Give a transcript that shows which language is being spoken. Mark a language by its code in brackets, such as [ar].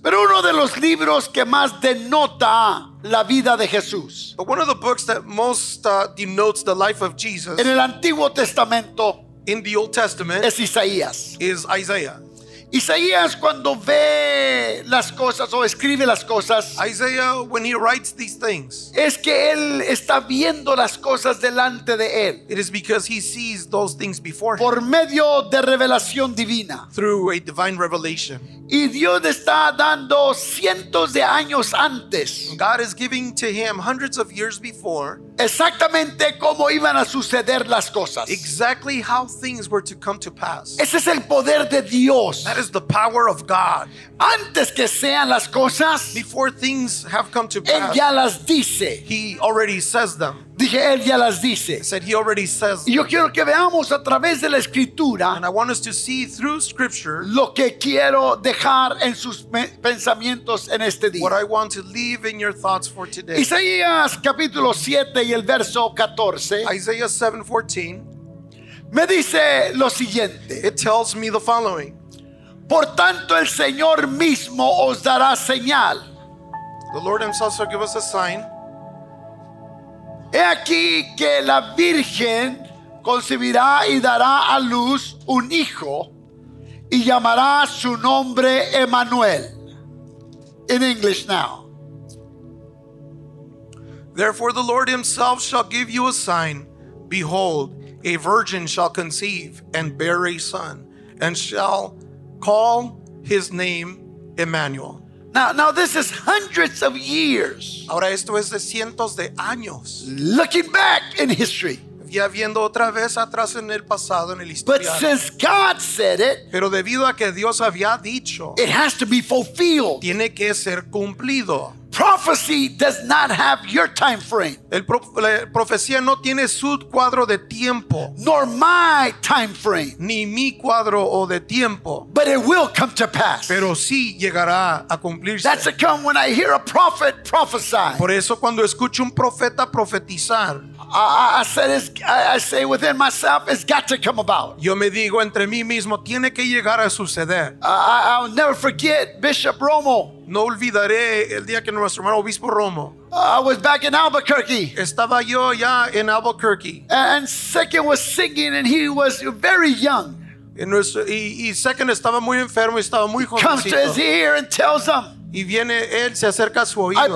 [es] Pero uno de los libros que más denota la vida de Jesús. [en] But one of the books that most denotes the life of Jesus. [es] En el Antiguo Testamento. [en] In the Old Testament. [es] Es Isaías. [en] Is Isaiah. [es] Isaías cuando ve las cosas o escribe las cosas. [en] Isaiah, when he writes these things. [es] Es que él está viendo las cosas delante de él. [en] It is because he sees those things before him. [es] Por medio de revelación divina. [en] Through a divine revelation. [es] Y Dios está dando cientos de años antes. [en] God is giving to him hundreds of years before. [es] Exactamente cómo iban a suceder las cosas. [en] Exactly how things were to come to pass. [es] Ese es el poder de Dios. [en] That is the power of God. [es] Antes que sean las cosas, [en] before things have come to pass, [es] él ya las dice. [en] He already says them. [es] Dije, él ya las dice. [en] I said he already says. [es] Y yo quiero que veamos a través de la escritura. [en] And I want us to see through scripture. [es] Lo que quiero dejar en sus pensamientos en este día. [en] What I want to leave in your thoughts for today. [es] Isaías capítulo 7 y el verso 14. [en] Isaiah 7:14. [es] Me dice lo siguiente. [en] It tells me the following. [es] Por tanto el Señor mismo os dará señal. [en] The Lord himself shall give us a sign. [es] He aquí que la Virgen concebirá y dará a luz un hijo y llamará su nombre Emmanuel. [en] In English now. Therefore the Lord himself shall give you a sign. Behold, a virgin shall conceive and bear a son and shall call his name Emmanuel. Now this is hundreds of years. [es] Ahora esto es de cientos de años. [en] Looking back in history. [es] Ya viendo otra vez atrás en el pasado en el historial. [en] But since God said it, [es] pero debido a que Dios había dicho, [en] it has to be fulfilled. [es] Tiene que ser cumplido. [en] Prophecy does not have your time frame. [es] La profecía no tiene su cuadro de tiempo. [en] Nor my time frame. [es] Ni mi cuadro o de tiempo. [en] But it will come to pass. [es] Pero sí llegará a cumplirse. [en] That's a come when I hear a prophet prophesy. [es] Por eso cuando escucho un profeta profetizar, [en] I say within myself, it's got to come about. [es] Yo me digo entre mí mismo, tiene que llegar a suceder. [en] I'll never forget Bishop Romo. [es] No olvidaré el día que nuestro hermano Obispo Romo. [en] I was back in Albuquerque. [es] Estaba yo ya en Albuquerque. [en] And Second was singing, and he was very young. [es] Y Second estaba muy enfermo y estaba muy jovencito. [en] Comes to his ear and tells him. [es] Y viene él, se acerca a su oído.